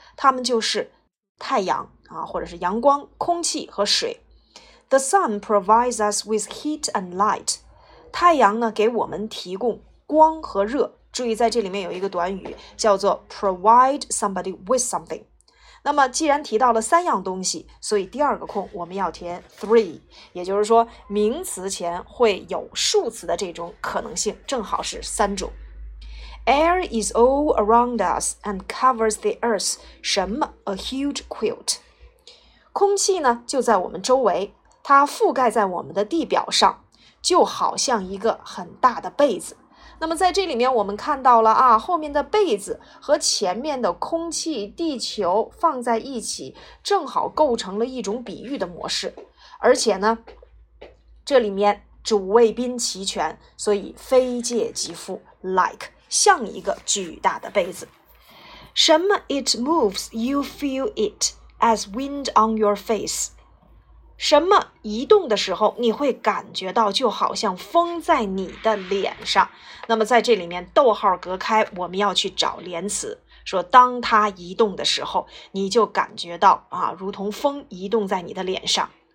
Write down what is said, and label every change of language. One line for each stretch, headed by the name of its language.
Chinese: 它们就是太阳啊，或者是阳光、空气和水。
English: The sun provides us with heat and light.
Chinese: 太阳呢，给我们提供光和热。注意，在这里面有一个短语叫做
English: provide somebody with something.
Chinese: 那么既然提到了三样东西，所以第二个空我们要填
English: three，
Chinese: 也就是说名词前会有数词的这种可能性正好是三种。
English: Air is all around us and covers the earth 什么 a huge quilt，
Chinese: 空气呢就在我们周围，它覆盖在我们的地表上，就好像一个很大的被子。那么在这里面我们看到了啊，后面的被子和前面的空气、地球放在一起，正好构成了一种比喻的模式。而且呢，这里面主谓宾齐全，所以非借即附 ，
English: like
Chinese: 像一个巨大的被子。什么
English: ？It moves, you feel it as wind on your face。
Chinese: 什么移动的时候你会感觉到就好像风在你的脸上。那么在这里面逗号隔开，我们要去找连词，说当它移动的时候你就感觉到啊，如同风移动在你的脸上。